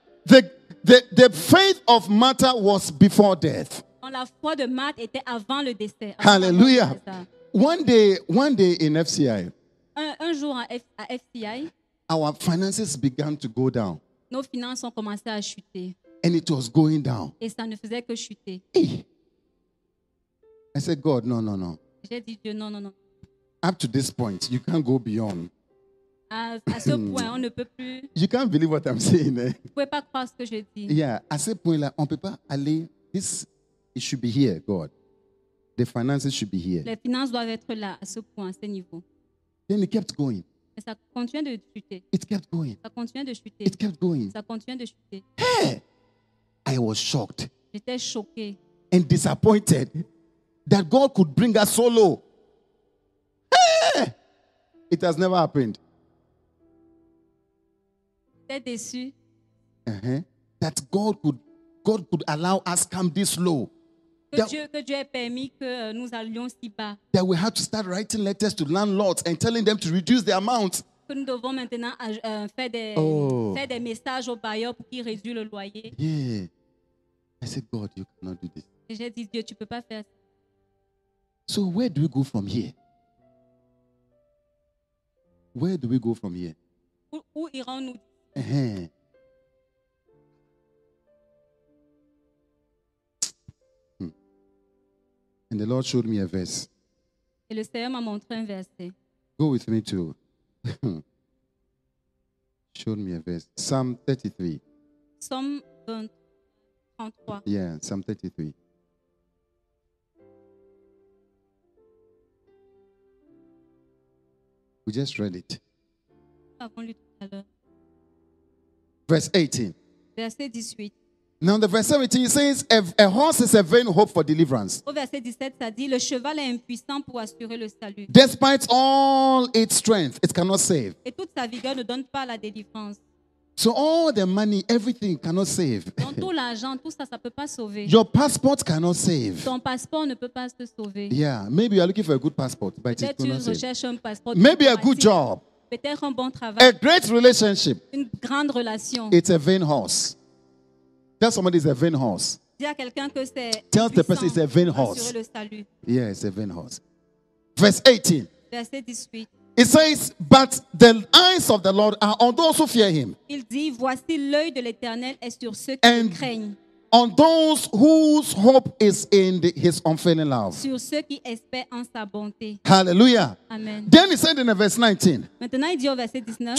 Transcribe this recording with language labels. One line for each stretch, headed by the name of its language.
English: The faith of Martha was before death.
French: La foi de Martha était avant le décès.
English: Hallelujah. One day in FCI.
French: Un jour à FCI.
English: Our finances began to go down.
French: Nos finances ont commencé à chuter.
English: And it was going down.
French: Et ça ne faisait que chuter.
English: Hey. I said, God, no.
French: J'ai dit Dieu, non.
English: Up to this point, you can't go beyond.
French: À ce point, on ne peut plus.
English: You can't believe what I'm saying. Eh?
French: Vous pouvez pas croire ce que je dis. Yeah, à ce point-là, on peut pas aller.
English: This, it should be here, God. The finances should be here.
French: Les finances doivent être là, à ce point, à ce niveau.
English: Then it kept going.
French: Et ça continue de chuter.
English: It kept going.
French: Ça continue de chuter.
English: It kept going.
French: Ça continue de chuter.
English: Hey, I was shocked.
French: J'étais choqué.
English: And disappointed that God could bring us so low. Hey, it has never happened.
French: J'étais déçu. Uh-huh.
English: That God could allow us come this low.
French: Que Dieu ait permis que nous allions si bas.
English: That we have to start writing letters to landlords and telling them to reduce the amount.
French: Que nous devons maintenant faire des messages aux bailleurs pour qu'ils réduisent le loyer.
English: Yeah. I said, God, you cannot do this.
French: Et j'ai dit, Dieu, tu peux pas faire ça.
English: So where do we go from here? Where do we go from here?
French: Où irons-nous?
English: And the Lord showed me a verse.
French: Et le Seigneur m'a montré un verset.
English: Go with me too. Showed me a verse. Psalm 33. Psalm 33. Yeah, Psalm 33. We just read it.
French: Avant lui tout à l'heure.
English: Verse 18.
French: Verset 18.
English: Now the verse 17 says, a horse is a vain hope for deliverance.
French: Au verset 17, ça dit, le cheval est impuissant pour assurer le salut.
English: Despite all its strength, it cannot save.
French: Et toute sa vigueur ne donne pas la délivrance.
English: So all the money, everything cannot save.
French: Donc tout l'argent, tout ça, ça peut pas sauver.
English: Your passport cannot save.
French: Ton passeport ne peut pas te sauver.
English: Yeah, maybe you are looking for a good passport, but
French: peut-être
English: it cannot
French: tu recherches
English: save.
French: Un passeport.
English: Maybe a good job.
French: Peut-être un bon travail.
English: A great relationship.
French: Une grande relation.
English: It's a vain horse. Tell somebody it's a vain horse.
French: Dis à quelqu'un que c'est.
English: Tell the person it's a vain horse.
French: Assurer le salut.
English: Yeah, it's a vain horse. Verse 18.
French: Verset 18.
English: It says, but the eyes of the Lord are on those who fear him.
French: Il dit, voici l'œil de l'Éternel est sur ceux qui craignent.
English: on those whose hope is in his unfailing love.
French: Sur ceux qui espèrent en sa bonté.
English: Hallelujah. Amen. Then he said in verse 19,
French: maintenant, il dit au verset 19,